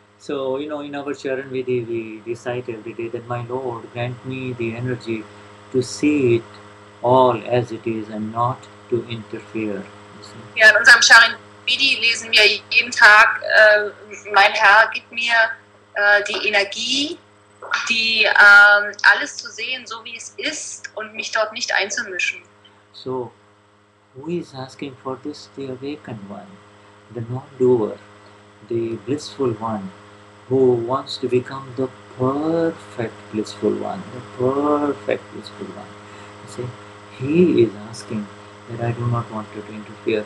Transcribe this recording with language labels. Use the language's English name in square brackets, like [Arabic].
[English] So, you know, in our Charan Vidhi, we recite every day that my Lord, grant me the energy to see it all as it is and not to interfere. [German] Ja, in unserem Charan Vidhi lesen wir jeden Tag, mein Herr, gib mir die Energie, die alles zu sehen, so wie es ist, und mich dort nicht einzumischen. [English] So, who is asking for this? The awakened one, the non-doer, the blissful one, who wants to become the perfect blissful one, the perfect blissful one. You see, he is asking that I do not want to interfere.